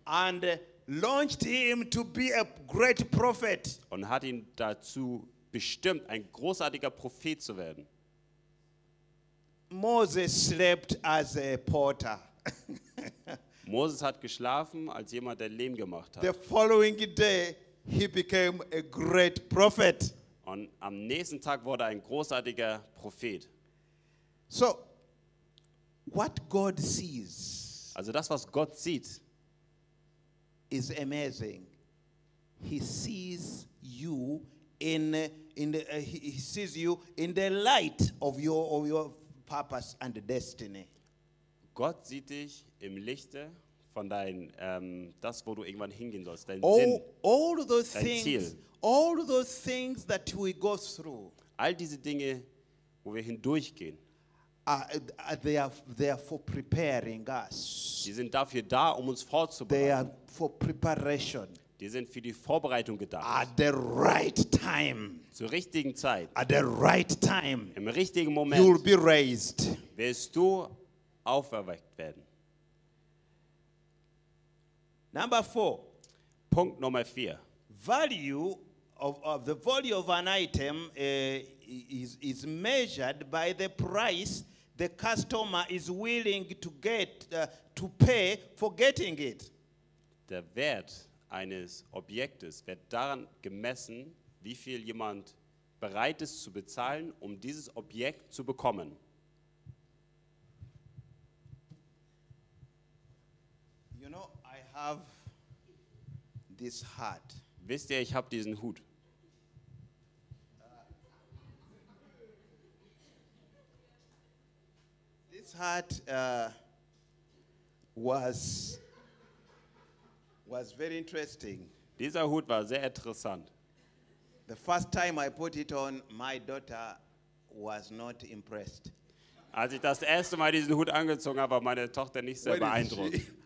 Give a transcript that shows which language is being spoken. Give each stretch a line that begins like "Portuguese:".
English: And launched him to be a great prophet.
German: Und hat ihn dazu bestimmt, ein großartiger Prophet zu werden.
English: Moses slept as a porter.
German: Moses hat geschlafen als jemand, der Lehm gemacht hat.
English: The following day he became a great prophet.
German: Und am nächsten Tag wurde ein großartiger Prophet.
English: So what God sees.
German: Also das, was Gott sieht,
English: is amazing. He sees you in the light of your purpose and destiny.
German: Gott sieht dich im Lichte von dein das, wo du irgendwann hingehen sollst, dein Ziel.
English: All those things that we go through.
German: All diese Dinge, wo wir hindurchgehen.
English: They are for preparing us.
German: Die sind dafür da, um uns vorzubereiten.
English: They are for preparation.
German: Die sind für die Vorbereitung gedacht.
English: At the right time.
German: Zur richtigen Zeit.
English: At the right time.
German: Im richtigen Moment.
English: You'll be raised.
German: Wirst du auferweckt werden.
English: Number four.
German: Punkt Nummer vier.
English: Value of the value of an item is measured by the price the customer is willing to get to pay for getting it.
German: Der Wert eines Objektes wird daran gemessen, wie viel jemand bereit ist zu bezahlen, um dieses Objekt zu bekommen.
English: You know, I have this hat.
German: Wisst ihr, ich habe diesen Hut.
English: Hat was very interesting.
German: Dieser Hut war sehr interessant.
English: The first time I put it on, my daughter was not impressed.
German: Als ich das erste Mal diesen Hut angezogen habe, war meine Tochter nicht sehr beeindruckt.